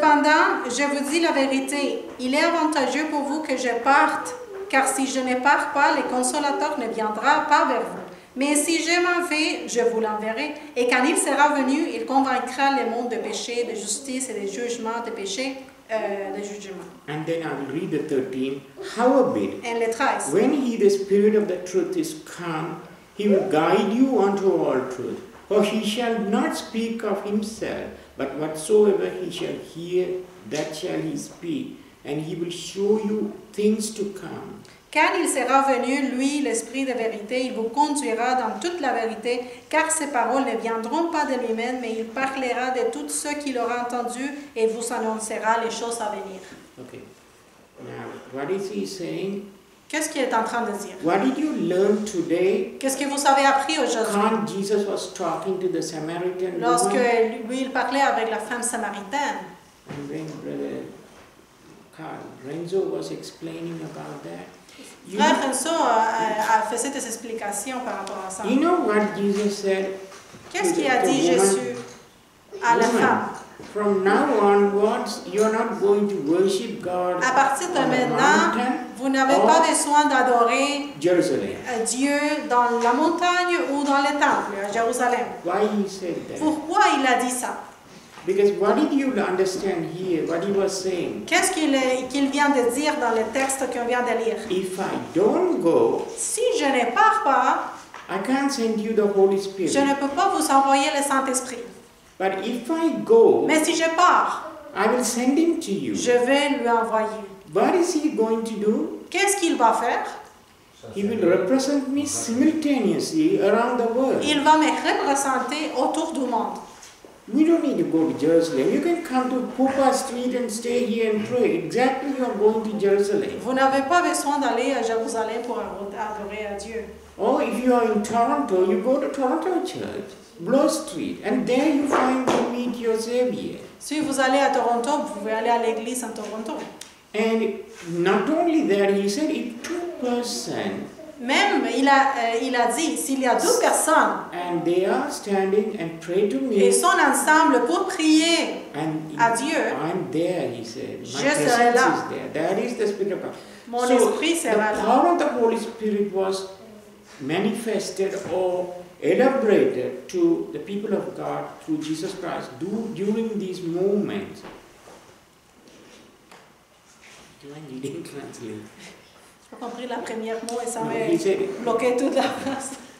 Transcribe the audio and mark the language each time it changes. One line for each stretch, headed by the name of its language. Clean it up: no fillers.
French: Cependant, je vous dis la vérité, il est avantageux pour vous que je parte, car si je ne pars pas, le Consolateur ne viendra pas vers vous. Mais si je m'en vais, je vous l'enverrai, et quand il sera venu, il convaincra le monde de péché, de justice et de jugement, de péché, de jugement.
English: And then I'll read the 13. Howbeit,
French: et le 13.
English: When he, the Spirit of the truth, is come, he will guide you unto all truth, for he shall not speak of himself, but whatsoever he shall hear, that shall he speak, and he will show you things to come.
French: Quand il sera venu, lui, l'Esprit de vérité, il vous conduira dans toute la vérité, car ses paroles ne viendront pas de lui-même, mais il parlera de tout ce qu'il aura entendu et vous annoncera les choses à venir.
English: Okay. Now, what is he saying?
French: Qu'est-ce qu'il est en train de dire?
English: What did you learn today?
French: Qu'est-ce que vous avez appris aujourd'hui?
English: When Jesus was talking to the Samaritan woman.
French: Lorsque lui il parlait avec la femme samaritaine.
English: And then Brother Carl Renzo was explaining about that.
French: Frère Renzo a fait cette explication par rapport à ça.
English: You know what Jesus said?
French: Qu'est-ce qu'il a dit Jésus à la femme?
English: From now onwards, you're not going to worship God.
French: À partir de maintenant, vous n'avez pas besoin d'adorer
English: Jerusalem.
French: Dieu dans la montagne ou dans le temple à Jérusalem.
English: Why he said that?
French: Pourquoi il a dit ça?
English: Because what did you understand here? What he was saying?
French: Qu'est-ce qu'il vient de dire dans le texte qu'on vient de lire?
English: If I don't go,
French: si je ne pars pas,
English: I can't send you the Holy Spirit.
French: Je ne peux pas vous envoyer le Saint-Esprit.
English: But if I go,
French: mais si je pars,
English: I will send him to you.
French: Je vais lui envoyer.
English: What is he going to do?
French: Qu'est-ce qu'il va faire?
English: He will represent me simultaneously around the world.
French: Il va me représenter autour du monde.
English: We don't need to go to Jerusalem. You can come to Pupa Street and stay here and pray. Exactly, you are going to Jerusalem.
French: Vous n'avez pas besoin d'aller à Jérusalem pour adorer à Dieu.
English: Oh, if you are in Toronto, you go to Toronto Church. Blow Street, and there you find to meet your Savior.
French: Si vous allez à Toronto, vous pouvez aller à l'église en Toronto.
English: And not only that, he said, if two persons.
French: Même il a dit s'il y a deux personnes.
English: And they are standing and pray to me.
French: Ils sont ensemble pour prier
English: and
French: à Dieu.
English: I'm there, he said.
French: My je serai là.
English: Is there. That is the Spirit of God.
French: Mon
English: so
French: esprit sera
English: the power Of the Holy Spirit was manifested or elaborated to the people of God through Jesus Christ during these moments. Do I need it translate?
French: Je n'ai pas compris la première mot et ça m'a bloqué toute la phrase.